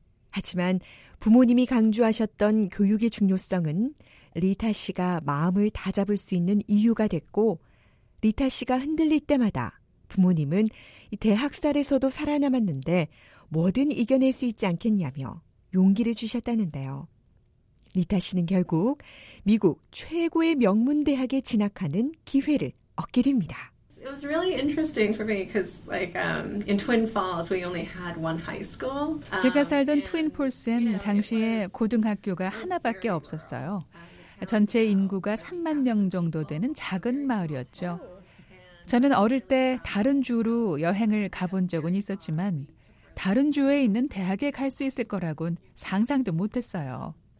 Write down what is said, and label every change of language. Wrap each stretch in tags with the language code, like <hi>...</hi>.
<ko>하지만 부모님이 강조하셨던 교육의 중요성은 리타 씨가 마음을 다잡을 수 있는 이유가 됐고 리타 씨가 흔들릴 때마다 부모님은 대학살에서도 살아남았는데 뭐든 이겨낼 수 있지 않겠냐며 용기를 주셨다는데요. 리타 씨는 결국 미국 최고의 명문대학에 진학하는 기회를 얻게 됩니다.</ko> <en>it was really interesting for me because like in Twin Falls we only had one high school.</en> <ko>제가 살던 Twin Falls엔 당시에 고등학교가 하나밖에 없었어요. 전체 인구가 3만 명 정도 되는 작은 마을이었죠. 저는 어릴 때 다른 주로 여행을 가본 적은 있었지만 다른 주에 있는 대학에 갈 수 있을 거라곤 상상도 못했어요.</ko>